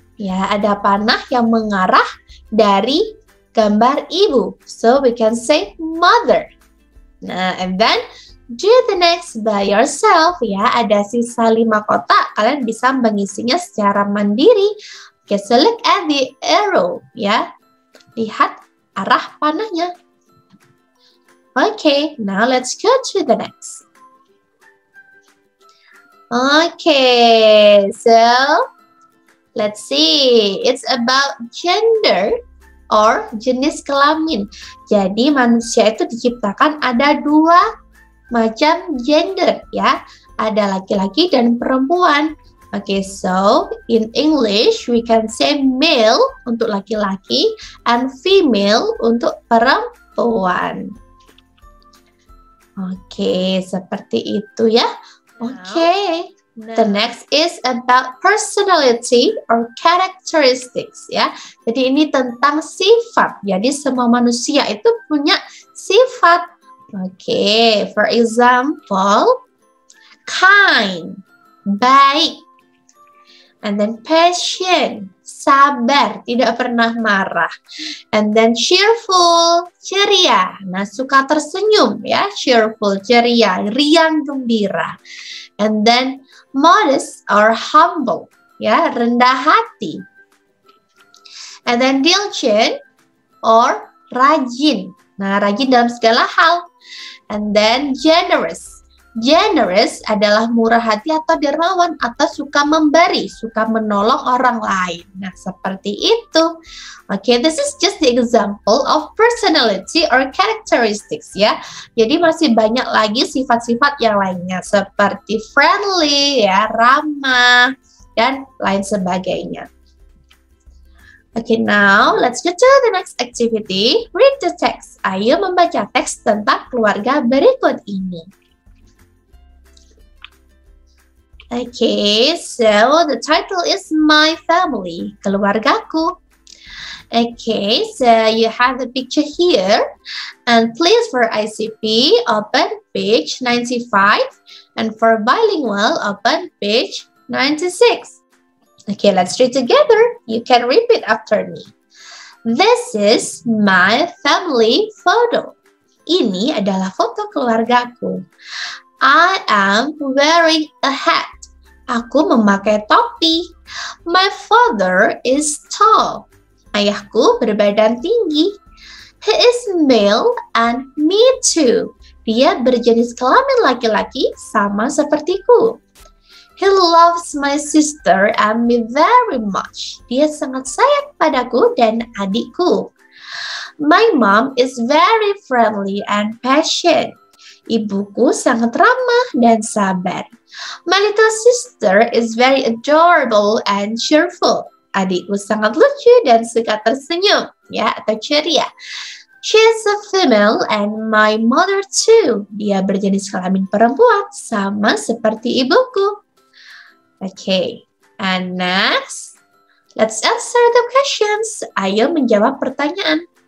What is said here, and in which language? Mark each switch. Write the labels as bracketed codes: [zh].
[id] Ya, ada panah yang mengarah dari gambar ibu. [en] So, we can say mother. Nah, and then, do the next by yourself. [id] Ya, ada sisa 5 kotak. Kalian bisa mengisinya secara mandiri. [en] Okay, so look at the arrow. [id] Ya, lihat arah panahnya. [en] Okay, now let's go to the next. Okay, so let's see. It's about gender or [id] jenis kelamin. Jadi manusia itu diciptakan ada 2 macam gender ya. Ada laki-laki dan perempuan. [en] Okay, so in English we can say male [id] untuk laki-laki [en] and female [id] untuk perempuan. Okay, seperti itu ya. Okay. [en] The next is about personality or characteristics ya. [id] Jadi ini tentang sifat. Jadi semua manusia itu punya sifat. [en] Okay, for example, kind, baik. And then patient, [id] sabar, tidak pernah marah. [en] And then cheerful, [id] ceria. Nah, suka tersenyum ya, cheerful, ceria, riang, gembira. [en] And then modest or humble, ya, [id] rendah hati. [en] And then diligent or rajin. [id] Nah, rajin dalam segala hal. [en] And then generous. [id] Generous adalah murah hati atau dermawan atau suka memberi, suka menolong orang lain. Nah, seperti itu. [en] Okay, this is just the example of personality or characteristics ya. [id] Jadi masih banyak lagi sifat-sifat yang lainnya seperti friendly ya, ramah dan lain sebagainya. [en] Okay, now let's get to the next activity. Read the text. [id] Ayo membaca teks tentang keluarga berikut ini. [en] Okay, so the title is My Family, Keluargaku. Okay, so you have the picture here. And please for ICP, open page 95. And for bilingual, open page 96. Okay, let's read together. You can repeat after me. This is my family photo. [id] Ini adalah foto keluargaku. [en] I am wearing a hat. [id] Aku memakai topi. [en] My father is tall. [id] Ayahku berbadan tinggi. [en] He is male and me too. [id] Dia berjenis kelamin laki-laki sama sepertiku. [en] He loves my sister and me very much. [id] Dia sangat sayang padaku dan adikku. [en] My mom is very friendly and patient. [id] Ibuku sangat ramah dan sabar. [en] My little sister is very adorable and cheerful. [id] Adikku sangat lucu dan suka tersenyum, ya, atau ceria. [en] She is a female and my mother too. [id] Dia berjenis kelamin perempuan, sama seperti ibuku. [en] Okay, and next, let's answer the questions. [id] Ayo menjawab pertanyaan.